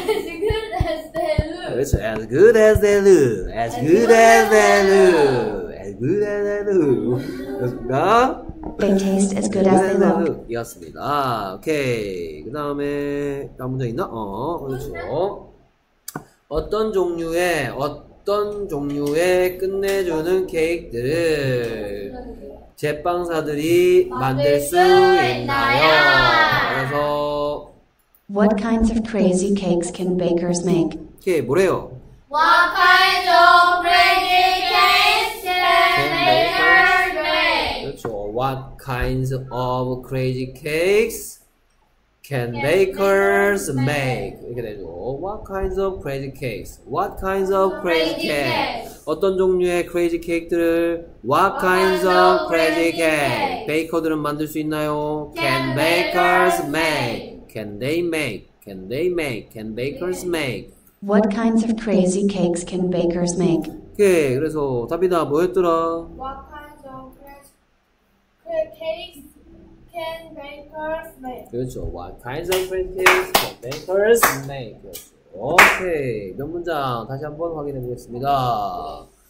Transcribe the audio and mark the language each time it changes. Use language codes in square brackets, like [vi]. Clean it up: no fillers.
[en] As good as they look, as good as they look, as good as they look. [ko] 그렇습니까? [en] They taste as good as they look. [ko] 이었습니다. 오케이. 그 다음에 다음 문제 있나? 그렇죠. 어떤 종류의 끝내주는 케이크들을 제빵사들이 만들 수 있나요? 그래서 [en] What kinds of crazy cakes can bakers make? [ko] 오케이, 뭐래요? [en] What kind of pretty cakes can makers make? [ko] 그렇죠. [en] What kinds of crazy cakes can makers make? [ko] 이렇게 되죠. [en] What kinds of crazy cakes? What kinds of crazy cakes? [ko] 어떤 종류의 [en] crazy cake들을 What kinds of crazy cakes? [ko] 베이커들은 만들 수 있나요? [en] Can bakers make? Can they make? Can they make? Can bakers make? What kinds of crazy cakes can bakers make? [ko] 오케이, 그래서 답이다 뭐였더라? [en] What kinds of cakes can bakers make? [ko] 그렇죠. [en] What kinds of cakes can bakers make? 그렇죠. [ko] 오케이, 몇 문장 다시 한번 확인해 보겠습니다.